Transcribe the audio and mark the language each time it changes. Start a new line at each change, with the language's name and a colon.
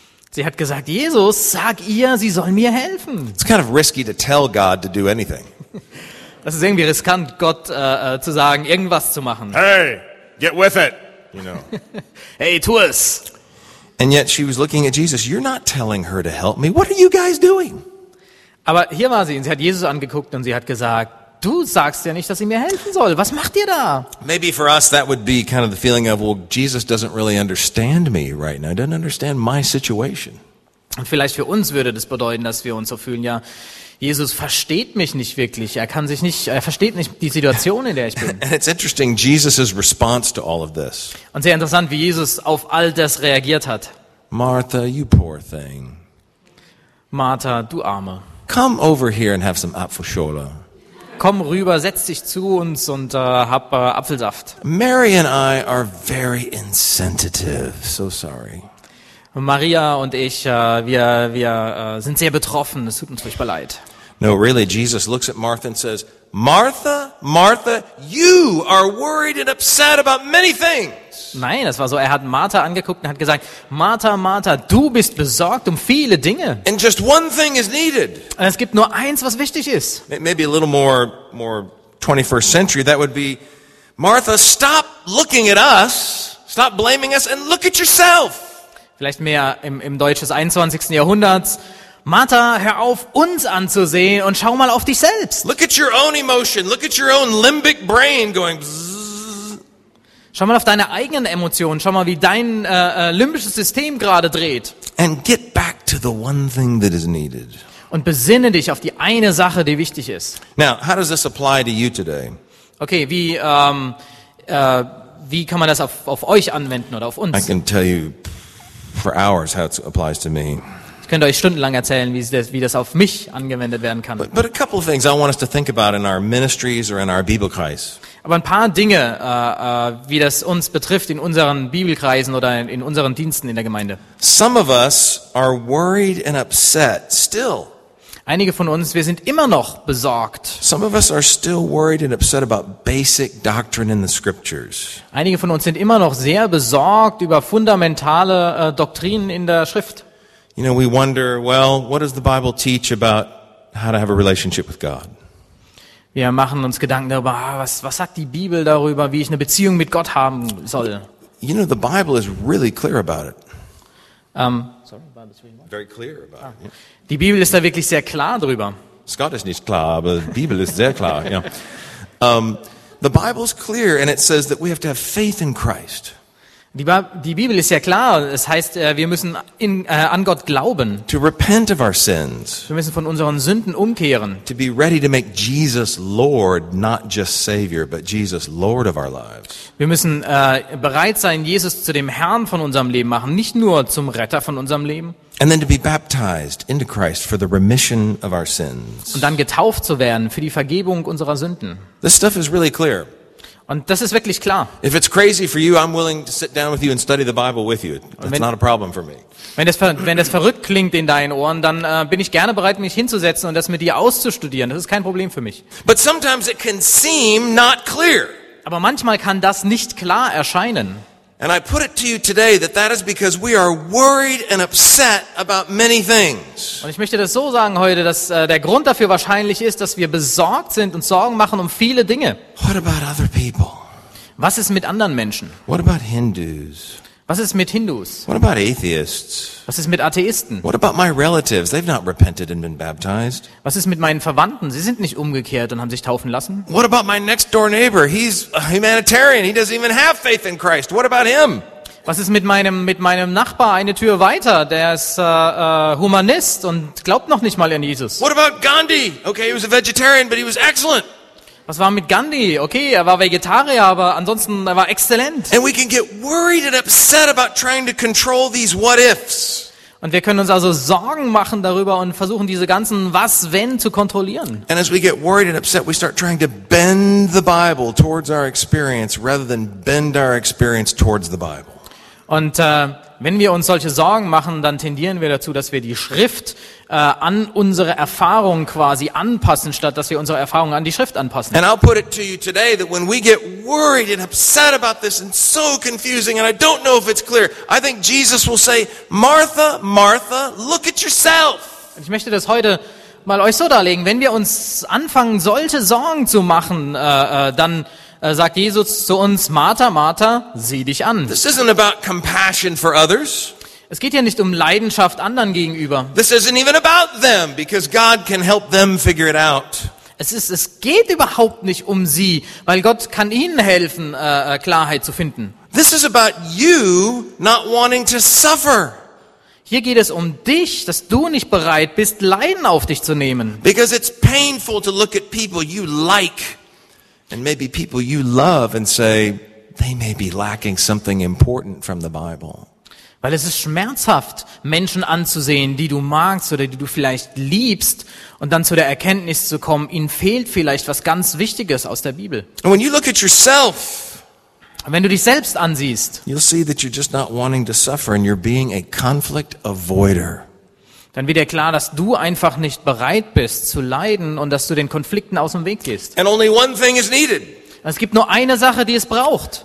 German: Sie hat gesagt, Jesus, sag ihr, sie soll mir helfen.
English: It's kind of risky to tell God to do anything.
German: Das ist irgendwie riskant, Gott zu sagen, irgendwas zu machen.
English: Hey, get with it, you know.
German: Hey, tu es.
English: And yet she was looking at Jesus. You're not telling her to help me. What are you guys doing?
German: Aber hier war sie. Sie hat Jesus angeguckt und sie hat gesagt, du sagst ja nicht, dass sie mir helfen soll. Was macht ihr da?
English: Maybe for us that would be kind of the feeling of, well, Jesus doesn't really understand me right now. Doesn't understand my situation.
German: Und vielleicht für uns würde das bedeuten, dass wir uns so fühlen, ja, Jesus versteht mich nicht wirklich. Er versteht nicht die Situation, in der ich bin.
English: And it's interesting, Jesus's response to all of this.
German: Und sehr interessant, wie Jesus auf all das reagiert hat.
English: Martha, you poor thing.
German: Martha, du Arme.
English: Come over here and have some Apfelschorle.
German: Komm rüber, setz dich zu uns und hab Apfelsaft.
English: Mary and I are very insensitive. So sorry.
German: Maria und ich, wir sind sehr betroffen. Es tut uns furchtbar leid.
English: No, really, Jesus looks at Martha and says, Martha, Martha, you are worried and upset about many things.
German: Nein, das war so. Er hat Martha angeguckt und hat gesagt, Martha, Martha, du bist besorgt um viele Dinge.
English: And just one thing is needed.
German: Und es gibt nur eins, was wichtig ist.
English: Maybe a little more 21st century, that would be, Martha, stop looking at us, stop blaming us and look at yourself.
German: Vielleicht mehr im Deutsch des 21. Jahrhunderts. Martha, hör auf, uns anzusehen und schau mal auf dich selbst.
English: Look at your own emotion. Look at your own limbic brain going.
German: Schau mal auf deine eigenen Emotionen. Schau mal, wie dein limbisches System gerade dreht.
English: And get back to the one thing that is needed.
German: Und besinne dich auf die eine Sache, die wichtig ist.
English: Now, how does this apply to you today?
German: Okay, wie kann man das auf euch anwenden oder auf uns?
English: I can tell you for hours how it applies to me.
German: Ich könnte euch stundenlang erzählen, wie das auf mich angewendet werden kann.
English: But a couple of things I want us to think about in our ministries or in our Bibelkreis.
German: Aber ein paar Dinge, wie das uns betrifft in unseren Bibelkreisen oder in unseren Diensten in der Gemeinde.
English: Some of us are worried and upset still.
German: Einige von uns, wir sind immer noch besorgt.
English: Some of us are still worried and upset about basic doctrine in the scriptures.
German: Einige von uns sind immer noch sehr besorgt über fundamentale Doktrinen in der Schrift.
English: You know, we wonder, well, what does the Bible teach about how to have a relationship with God?
German: Wir machen uns Gedanken darüber, was sagt die Bibel darüber, wie ich eine Beziehung mit Gott haben soll?
English: You know, the Bible is really clear about it. Very clear about it. Yeah.
German: Die Bibel ist da wirklich sehr klar drüber. Scott ist nicht klar, aber die Bibel ist sehr klar.
English: Yeah. The Bible's clear and it says that we have to have faith in Christ.
German: Die Bibel ist ja klar. Es heißt, wir müssen an Gott glauben.
English: To repent of our sins.
German: Wir müssen von unseren Sünden umkehren.
English: To be ready to make Jesus Lord, not just Savior, but Jesus Lord of our lives.
German: Wir müssen bereit sein, Jesus zu dem Herrn von unserem Leben machen, nicht nur zum Retter von unserem Leben.
English: And then to be baptized into Christ for the remission of our sins.
German: Und dann getauft zu werden für die Vergebung unserer Sünden.
English: This stuff is really clear.
German: Und das ist wirklich klar.
English: If it's crazy for you, I'm willing to sit down with you and study the Bible with you. That's not a problem for me.
German: Wenn das verrückt klingt in deinen Ohren, dann bin ich gerne bereit, mich hinzusetzen und das mit dir auszustudieren. Das ist kein Problem für mich.
English: But sometimes it can seem not clear.
German: Aber manchmal kann das nicht klar erscheinen.
English: And I put it to you today that that is because we are worried and upset about many things.
German: Und ich möchte das so sagen heute, dass der Grund dafür wahrscheinlich ist, dass wir besorgt sind und Sorgen machen um viele Dinge.
English: What about other people?
German: Was ist mit anderen Menschen?
English: What about Hindus?
German: Was ist mit Hindus?
English: What about atheists?
German: Was ist mit Atheisten?
English: What about my relatives? They've not repented and been baptized.
German: Was ist mit meinen Verwandten? Sie sind nicht umgekehrt und haben sich taufen lassen?
English: What about my next door neighbor? He's a humanitarian. He doesn't even have faith in Christ. What about him?
German: Was ist mit meinem Nachbar eine Tür weiter? Der ist Humanist und glaubt noch nicht mal an Jesus.
English: What about Gandhi? Okay, he was a vegetarian, but he was excellent.
German: Was war mit Gandhi? Okay, er war Vegetarier, aber ansonsten er war exzellent.
English: And we can get worried and upset about trying to control these what ifs.
German: Und wir können uns also Sorgen machen darüber und versuchen diese ganzen was wenn zu kontrollieren.
English: And as we get worried and upset, we start trying to bend the Bible towards our experience rather than bend our experience towards the Bible.
German: Und wenn wir uns solche Sorgen machen, dann tendieren wir dazu, dass wir die Schrift an unsere Erfahrung quasi anpassen, statt dass wir unsere Erfahrung an die Schrift anpassen.
English: And I'll put it to you today that when we get worried and upset about this and so confusing and I don't know if it's clear, I think Jesus will say, Martha, Martha, look at yourself.
German: Ich möchte das heute mal euch so darlegen. Wenn wir uns anfangen, solche Sorgen zu machen, dann sagt Jesus zu uns, Martha, Martha, sieh dich an.
English: This isn't about compassion for others.
German: Es geht hier nicht um Leidenschaft anderen gegenüber.
English: This isn't even about them, because God can help them figure it out.
German: Es geht überhaupt nicht um sie, weil Gott kann ihnen helfen, Klarheit zu finden.
English: This is about you not wanting to suffer.
German: Hier geht es um dich, dass du nicht bereit bist, Leiden auf dich zu nehmen.
English: Because it's painful to look at people you like. And maybe people you love and say they may be lacking something important from the Bible.
German: Weil es ist schmerzhaft, Menschen anzusehen, die du magst oder die du vielleicht liebst, und dann zu der Erkenntnis zu kommen, ihnen fehlt vielleicht was ganz Wichtiges aus der Bibel.
English: And when you look at yourself,
German: wenn du dich selbst ansiehst,
English: you'll see that you're just not wanting to suffer and you're being a conflict avoider.
German: Dann wird dir klar, dass du einfach nicht bereit bist zu leiden und dass du den Konflikten aus dem Weg gehst.
English: And only one thing is needed.
German: Es gibt nur eine Sache, die es braucht.